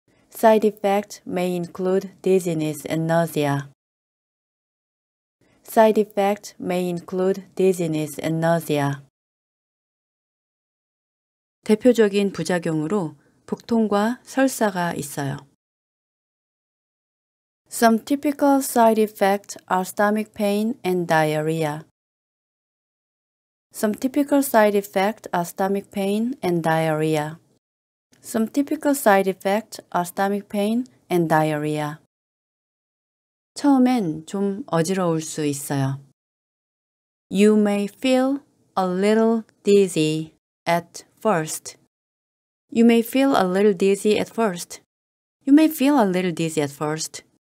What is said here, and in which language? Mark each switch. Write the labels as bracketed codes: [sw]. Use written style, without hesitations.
[en] Side effects may include dizziness and nausea. Side effects may include dizziness and nausea. [ko] 대표적인 부작용으로 복통과 설사가 있어요. [en] Some typical side effects are stomach pain and diarrhea. Some typical side effects are stomach pain and diarrhea. Some typical side effects are stomach pain and diarrhea. [ko] 처음엔 좀 어지러울 수 있어요. [en] You may feel a little dizzy at first. You may feel a little dizzy at first. You may feel a little dizzy at first.